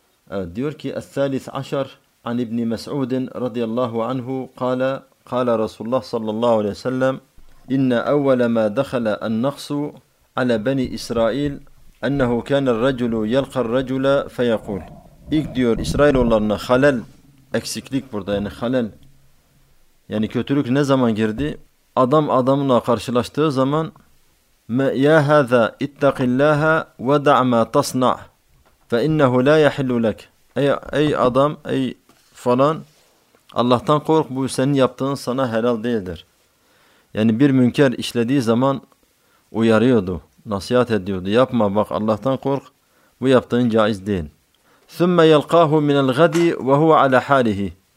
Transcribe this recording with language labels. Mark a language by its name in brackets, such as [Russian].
[Turkish] Evet, diyor ki [Arabic] الثالث عشر عن ابن مسعود رضي الله عنه قال قال رسول الله صلى الله عليه وسلم إن أول ما دخل النقص على بني إسرائيل أنه كان الرجل يلقى الرجل فيقول. [Turkish] İlk diyor İsrailoğullarına halel, eksiklik burada yani halel, yani kötülük ne zaman girdi? Adam adamına karşılaştığı zaman [Arabic] يَا هَذَا اِتَّقِ اللّٰهَ وَدَعْ مَا تَصْنَعْ فَاِنَّهُ لَا يَحِلُّ لَكَ. [Turkish] Ey adam, ey falan, Allah'tan kork, bu senin yaptığın sana helal değildir. Yani bir münker işlediği zaman uyarıyordu, nasihat ediyordu. Yapma bak, Allah'tan kork, bu yaptığın caiz değil. [Arabic] ثُمَّ يَلْقَاهُ مِنَ الْغَدِي وَهُوَ عَلَى حَالِهِ.